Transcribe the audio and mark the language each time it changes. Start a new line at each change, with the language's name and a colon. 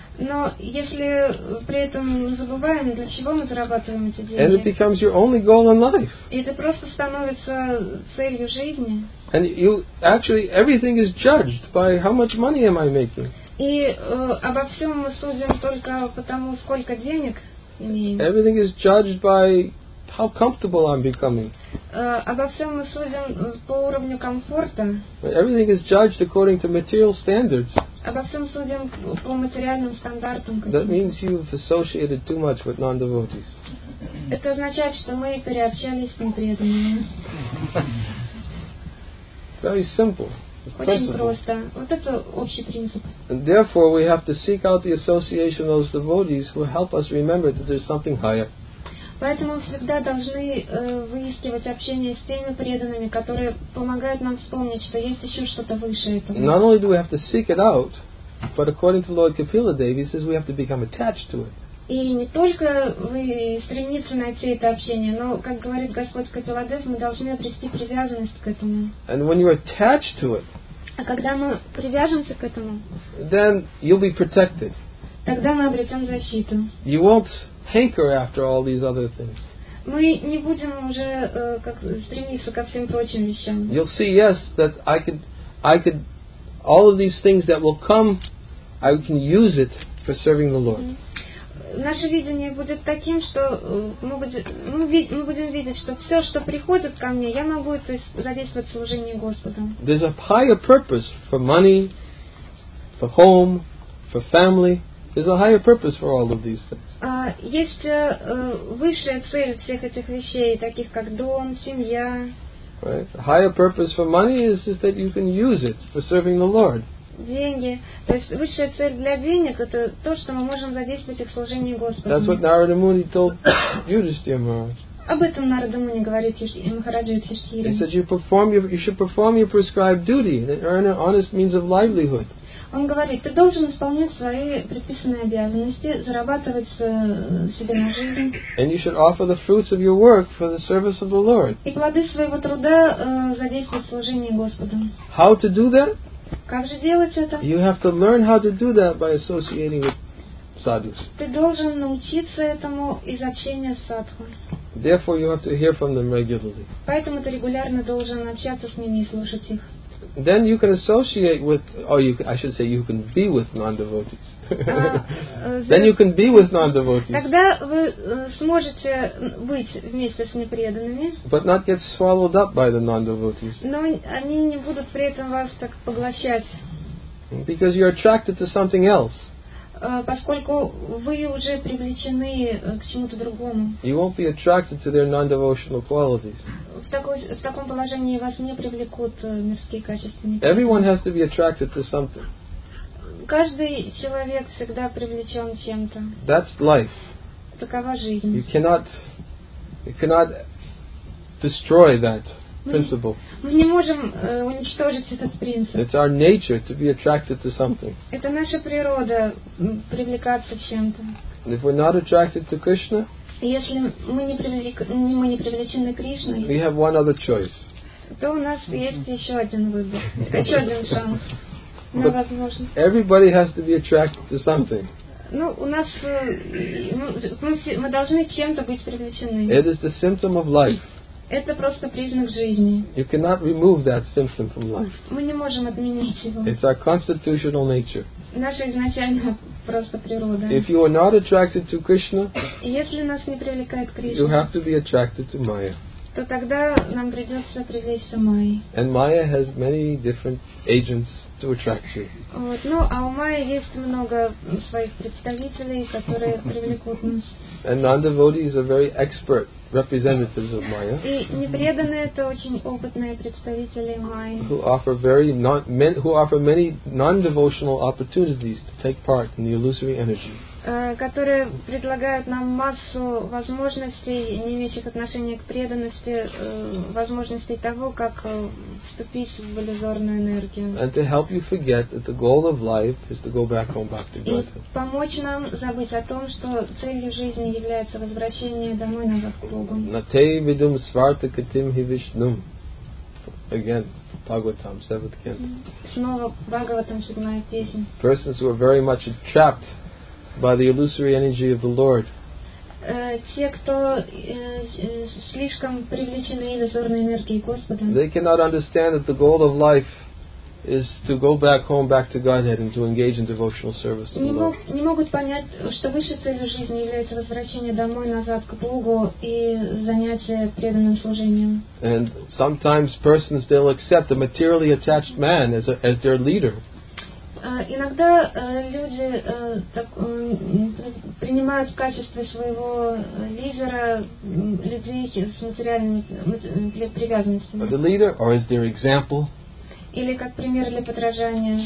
Russian: Но если при этом забываем, для чего мы зарабатываем эти деньги.
English: And it becomes your only goal in life.
Russian: И это просто становится целью жизни.
English: And you actually everything is judged by how much money am I making.
Russian: И обо всем мы судим только потому, сколько денег имеем.
English: Everything is judged by how comfortable I'm becoming.
Russian: Обо всем мы судим по уровню комфорта.
English: But everything is judged according to material standards.
Russian: Обо всем судим по материальным стандартам.
English: That means you've associated too much with non-devotees.
Russian: Это означает, что мы переобщались с непреданными.
English: Very simple.
Russian: Очень просто. Вот это общий принцип.
English: And therefore, we have to seek out the association of those devotees who help us remember that there's something higher.
Russian: Поэтому мы всегда должны выискивать общение с теми преданными, которые помогают нам вспомнить, что есть еще что-то выше этого.
English: Not only do we have to seek it out, but according to Lord Kapila Devi, he says we have to become attached to it.
Russian: И не только вы стремиться найти это общение, но, как говорит Господь Капила Дев, мы должны обрести привязанность к этому.
English: And when you're attached to it,
Russian: а когда мы привяжемся к этому,
English: then you'll be protected.
Russian: Тогда мы обретем защиту.
English: You won't hanker after all these other things.
Russian: Мы не будем уже стремиться ко всем прочим вещам.
English: You'll see, yes, that I could, all of these things that will come, I can use it for serving the Lord.
Russian: Наше видение будет таким, что мы будем видеть, что все, что приходит ко мне, я могу это задействовать в служении Господу.
English: There's a higher purpose for money, for home, for family. There's a higher purpose for all of these things.
Russian: Есть высшая цель всех этих вещей, таких как дом, семья.
English: Right. Higher purpose for money is that you can use it for serving the Lord.
Russian: Деньги. То есть высшая цель для денег это то, что мы можем задействовать их в служении Господу.
English: That's what Narada Muni told Yudhishthira Maharaj.
Russian: Об этом Нарада Муни говорит Махараджа Юдхиштхире.
English: He said you should perform your prescribed duty and earn an honest means of livelihood.
Russian: Он говорит, ты должен исполнять свои предписанные обязанности, зарабатывать себе на жизнь.
English: And you should offer the fruits of your work for the service of the Lord.
Russian: И плоды своего труда задействовать в служении Господу.
English: How to do that?
Russian: Как же делать это?
English: You have to learn how to do that by associating with sadhus.
Russian: Ты должен научиться этому из общения с садху.
English: Therefore, you have to hear from them regularly.
Russian: Поэтому ты регулярно должен общаться с ними и слушать их.
English: then you can associate with, or you can, I should say, you can be with non-devotees. Then you can be with non-devotees.
Russian: Тогда вы сможете быть вместе с непреданными.
English: But not get swallowed up by the non-devotees.
Russian: Но они не будут при этом вас так поглощать.
English: Because you're attracted to something else.
Russian: Поскольку вы уже привлечены к чему-то другому.
English: You won't be attracted to their non-devotional qualities.
Russian: В таком положении вас не привлекут мирские качества.
English: Everyone has to be attracted to something.
Russian: Каждый человек всегда привлечен чем-то.
English: That's life.
Russian: Такова жизнь.
English: You cannot destroy that principle.
Russian: Мы не можем уничтожить этот принцип.
English: It's our nature to be attracted to something.
Russian: Это наша природа привлекаться чем-то.
English: If we're not attracted to Krishna,
Russian: если мы не привлечены Кришной,
English: we have one other choice.
Russian: То у нас есть еще один выбор, еще один шанс.
English: But everybody has to be attracted to something.
Russian: Ну, у нас мы должны чем-то быть привлечены.
English: It is the symptom of life.
Russian: Это просто признак жизни.
English: You cannot remove that symptom from life.
Russian: Мы не можем отменить его.
English: It's our constitutional nature.
Russian: Наша изначальная просто природа.
English: If you are not attracted to Krishna,
Russian: если нас не привлекает Кришна,
English: you have to be attracted to Maya.
Russian: То тогда нам придется привлечься Майей.
English: And Maya has many different agents to attract you.
Russian: Вот, ну, а у Майи есть много своих представителей, которые привлекут нас.
English: And non-devotees are very expert representatives of Maya.
Russian: И непреданные — это очень опытные представители Майи.
English: Who offer many non-devotional opportunities to take part in the illusory energy.
Russian: Которые предлагают нам массу возможностей, не имеющих отношения к преданности, возможностей того, как вступить в иллюзорную энергию. И помочь нам забыть о том, что целью жизни является возвращение домой назад к Богу.
Sanskrit: Натей видум сварта катим хивишнум.
English: Again. Bhagavatam, 7th canto.
Russian: Снова Бхагаватам, 7-я песня.
English: Persons who are very much trapped by the illusory energy of the Lord.
Russian: Те, кто слишком привлечены иллюзорной энергией Господа.
English: They cannot understand that the goal of life is to go back home, back to Godhead, and to engage in devotional service to the Lord.
Russian: Не могут понять, что высшей целью жизни является возвращение домой назад к Богу и занятие преданным служением.
English: And sometimes persons, they'll accept a materially attached man as their leader.
Russian: Иногда люди так принимают в качестве своего лидера людей с материальными привязанностями.
English: The leader, or is their example?
Russian: Или как пример для подражания.